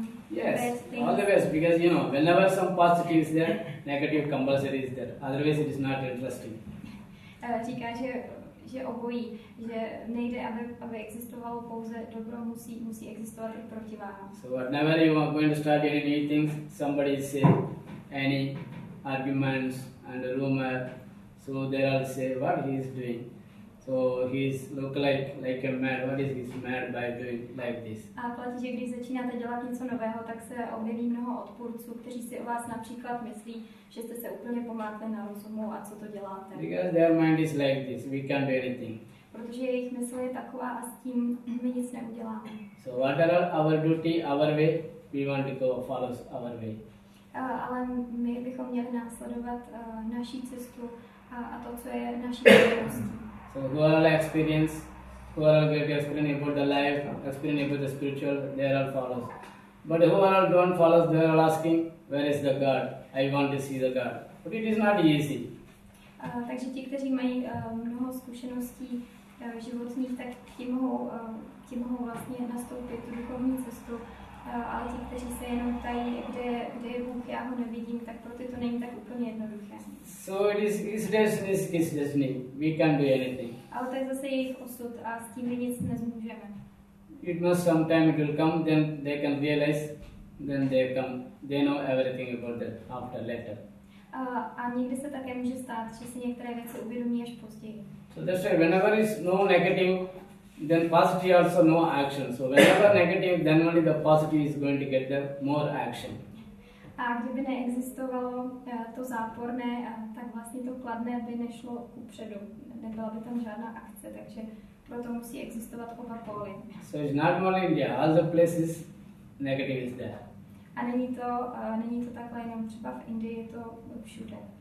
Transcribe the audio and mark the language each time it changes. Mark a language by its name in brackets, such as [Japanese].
[English] Because you know, whenever some positive is there, negative compulsory is there. Otherwise, it is not interesting. [Czech] Říká, že že obojí, že nejde, aby existovalo pouze dobro, musí existovat i protiváha. [English] So whenever you are going to start anything, somebody say any arguments and a rumor, so they all say what he is doing. So he is look like a mad. What is he mad by doing like this? [Czech] A platí, že když začínáte dělat něco nového, tak se objeví mnoho odpůrců, kteří si o vás například myslí, že jste se úplně pomátli na rozumu a co to děláte. [English] Because their mind is like this, we can't do anything. [Czech] Protože jejich mysl je taková a s tím my nic neuděláme. [English] So what are our duty, our way, we want to go follow our way. [Czech] Ale my bychom měli následovat naší cestu a to, co je naší povinnost. [English] So who are all experience, who are all great experience about the life, experience about the spiritual, they are all follows. But who are all don't follow, they are all asking, where is the God? I want to see the God. But it is not easy. [Czech] Takže ti, kteří mají mnoho zkušeností životních, tak ti mohou vlastně nastoupit tu duchovní cestu. Ale ti, kteří se jenom ptají, kde je Bůh, já ho nevidím, tak pro ty to není tak úplně jednoduché. [English] So it is his destiny, his destiny. We can't do anything. [Czech] Ale to je zase jejich osud a s tím my nic nezmůžeme. [English] It must sometime it will come, then they can realize, then they come, they know everything about that after later. [Czech] A někdy se také může stát, že si některé věci uvědomí až později. [English] So that's why whenever is no negative, then positive also no action. So whenever negative, then only the positive is going to get the more action. [Czech] A kdyby neexistovalo to záporné, tak vlastně to kladné by nešlo upředu. Nebyla by tam žádná akce, takže proto musí existovat oba póly. [English] So it's not only India, all the places negative is there. [Czech] A není to takhle jenom třeba v Indii, je to všude.